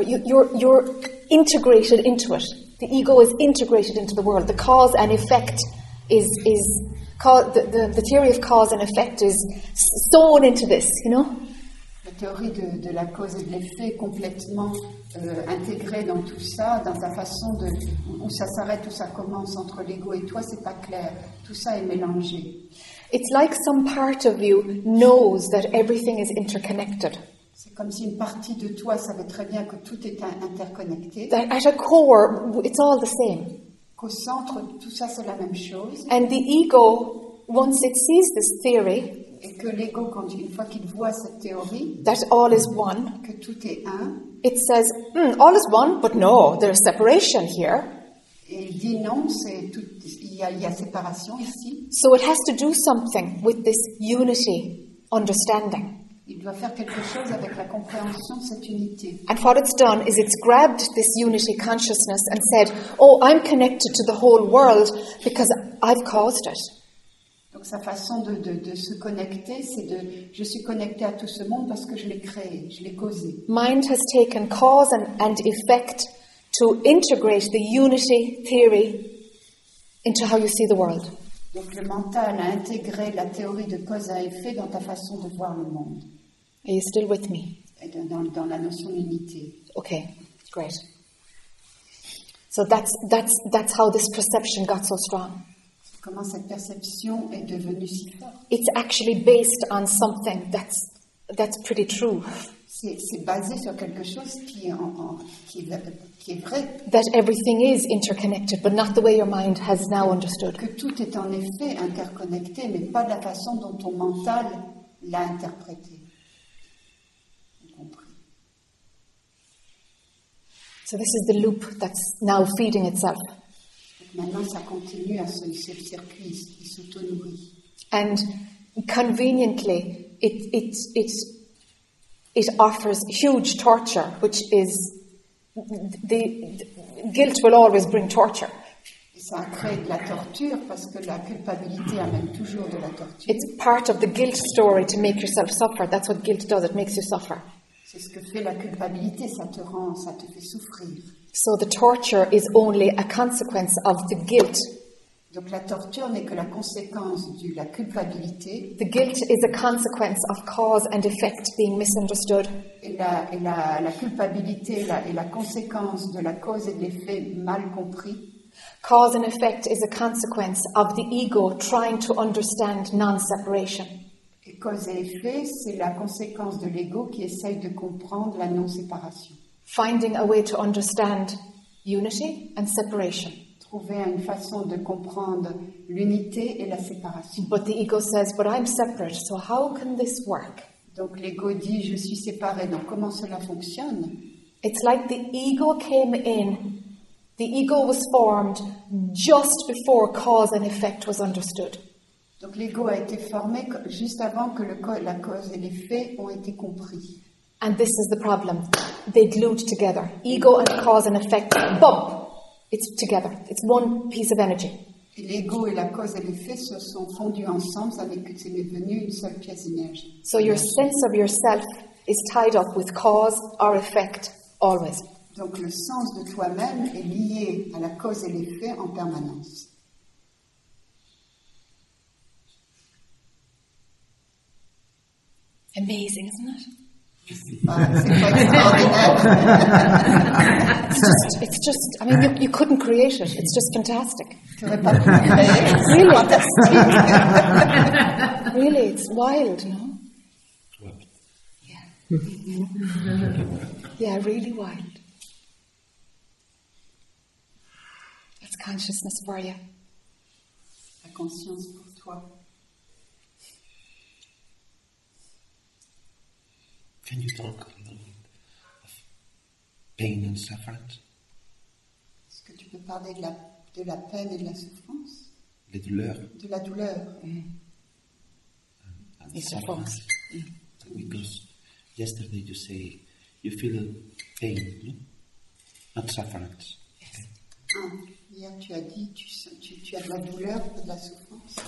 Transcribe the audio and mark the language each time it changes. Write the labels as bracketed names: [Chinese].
[English] You're integrated into it. The ego is integrated into the world. The cause and effect is the theory of cause and effect is sewn into this, you know? [French] La théorie de la cause et de l'effet est complètement intégrée dans tout ça, dans ta façon de où ça s'arrête, où ça commence entre l'ego et toi, c'est pas clair. Tout ça est mélangé. [English] It's like some part of you knows that everything is interconnected. [French] C'est comme si une partie de toi savait très bien que tout est interconnecté. [English] That at a core, it's all the same. [French] Qu'au centre, tout ça, c'est la même chose. [English] And the ego, once it sees this theory, [French] et que l'ego, quand une fois qu'il voit cette théorie, [English] that all is one, [French] que tout est un, [English] it says, all is one, but no, there's separation here. [French] Et il dit non, c'est tout, il y a séparation ici. [English] So it has to do something with this unity understanding. [French] Il doit faire quelque chose avec la compréhension de cette unité. [English] And what it's done is it's grabbed this unity consciousness and said, oh, I'm connected to the whole world because I've caused it. [French] Donc sa façon de se connecter, c'est de, je suis connecté à tout ce monde parce que je l'ai créé, je l'ai causé. [English] Mind has taken cause and effect to integrate the unity theory into how you see the world. [French] Donc le mental a intégré la théorie de cause à effet dans ta façon de voir le monde. [English] Are you still with me? [French] Et dans la notion d'unité. [English] Okay, great. So that's how this perception got so strong. [French] Comment cette perception est devenue si forte? [English] It's actually based on something that's pretty true. [French] C'est basé sur quelque chose qui est qui est vrai. [English] That everything is interconnected, but not the way your mind has now understood. [French] Que tout est en effet interconnecté, mais pas de la façon dont ton mental l'a interprété. Compris. [English] So this is the loop that's now feeding itself. [French] Maintenant, ça continue à se circuit, il s'auto-nourrit. [English] And conveniently, it offers huge torture, which is the guilt will always bring torture. [French] Ça crée de la torture parce que la culpabilité amène toujours de la torture. [English] It's part of the guilt story to make yourself suffer. That's what guilt does. It makes you suffer. [French] C'est ce que fait la culpabilité. Ça te rend, ça te fait souffrir. [English] So the torture is only a consequence of the guilt. [French] Donc la torture n'est que la conséquence de la culpabilité. [English] The guilt is a consequence of cause and effect being misunderstood. [French] Et la culpabilité est la conséquence de la cause et de l'effet mal compris. [English] Cause and effect is a consequence of the ego trying to understand non-separation. [French] Et cause et effet, c'est la conséquence de l'ego qui essaye de comprendre la non-séparation. [English] Finding a way to understand unity and separation. [French] Trouver une façon de comprendre l'unité et la séparation. [English] But the ego says, but I'm separate, so how can this work? [French] Donc l'ego dit, je suis séparé, donc comment cela fonctionne? [English] It's like the ego came in, the ego was formed just before cause and effect was understood. [French] Donc l'ego a été formé juste avant que la cause et l'effet ont été compris. [English] And this is the problem. They glued together. Ego and cause and effect, boom! It's together. It's one piece of energy. [French] Et l'ego et la cause et l'effet se sont fondus ensemble avec que c'est devenu une seule pièce d'énergie. [English] So your sense of yourself is tied up with cause or effect always. [French] Donc le sens de toi-même est lié à la cause et l'effet en permanence. [English] Amazing, isn't it? It's just. I mean, you couldn't create it. It's just fantastic. It's really fantastic. Really, it's wild, no? Yeah. Yeah, really wild. That's consciousness for you. [French] La conscience pour toi. [English] Can you talk a little bit of pain and suffering? [French] Est-ce que tu peux parler de la peine et de la souffrance? Les douleurs. De la douleur. [English] Mm. And suffering. Mm. Because yesterday you say you feel pain, no? Not suffering. Yes. Okay. [French] Hier tu as dit tu as de la douleur ou de la souffrance.